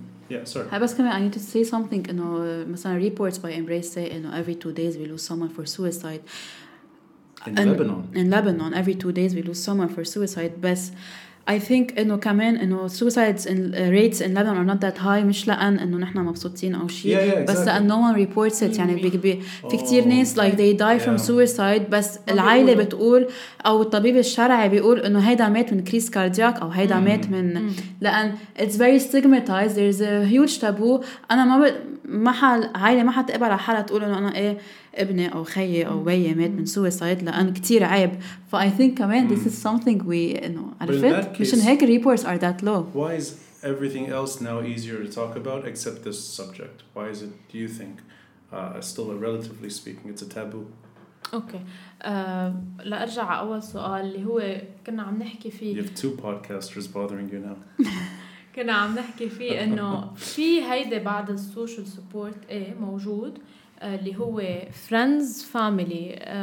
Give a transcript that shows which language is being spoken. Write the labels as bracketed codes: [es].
[en] I need to say something. Reports by Embrace say every 2 days we lose someone for suicide. In Lebanon, every 2 days we lose someone for suicide. But I think suicides and rates in Lebanon are not that high. [ar] مش لأن إنه نحنا مبسوطين أو شيء. [en] Yeah, exactly. [ar] بس لأن [en] no one reports it. [ar] في كتير ناس [en] they die from suicide. [ar] بس العائلة بتقول أو الطبيب الشرعي بيقول إنه هيدا مات من كريس كاردياك أو هيدا مات من لأن [en] it's very stigmatized. There's a huge taboo. [ar] أنا عائلة ما حتقبل على حالة تقول إنه أنا ابني أو خيي أو بيي مات من suicide لأن كتير عيب. [en] But I think this is something we [ar] عرفت مش إن هيك [en] reports are that low. Why is everything else now easier to talk about except this subject? Why is it, do you think, still a relatively speaking, it's a taboo? Okay. [ar] لأرجع على أول سؤال اللي هو كنا عم نحكي فيه. [en] You have two podcasters bothering you now. [ar] كنا عم نحكي فيه إنه في هيدا بعد السوشيال سبورت موجود اللي هو [en] friends family.